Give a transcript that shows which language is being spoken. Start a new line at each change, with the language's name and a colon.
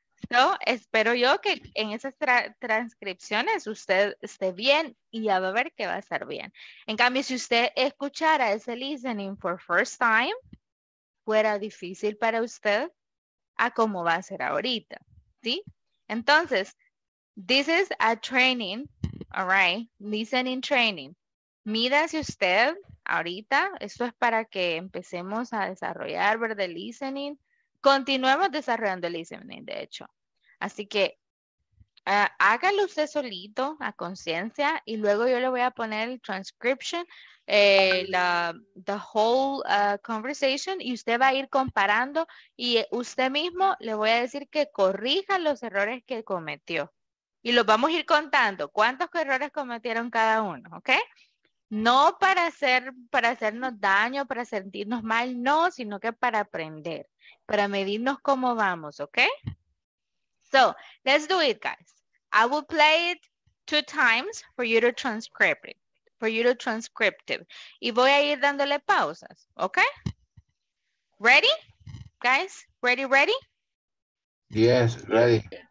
Spanish: So, espero yo que en esas transcripciones usted esté bien y ya va a ver que va a estar bien. En cambio, si usted escuchara ese listening for first time, fuera difícil para usted a cómo va a ser ahorita, ¿sí?
English: Entonces, this is a training, all right, listening training.
Spanish: Mídase usted ahorita, esto es para que empecemos a desarrollar, ¿verdad? El listening. Continuemos desarrollando el listening, de hecho. Así que hágalo usted solito, a conciencia, y luego yo le voy a poner el transcription,
English: the whole conversation,
Spanish: y usted va a ir comparando, y usted mismo le voy a decir que corrija los errores que cometió. Y los vamos a ir contando, cuántos errores cometieron cada uno, ¿ok? No para hacernos daño, para sentirnos mal, no, sino que para aprender, para medirnos cómo vamos, ¿ok?
English: So, let's do it, guys. I will play it two times for you to transcribe it, for you to transcript it.
Spanish: Y voy a ir dándole pausas,
English: okay? Ready, guys? Ready, ready? Yes, ready.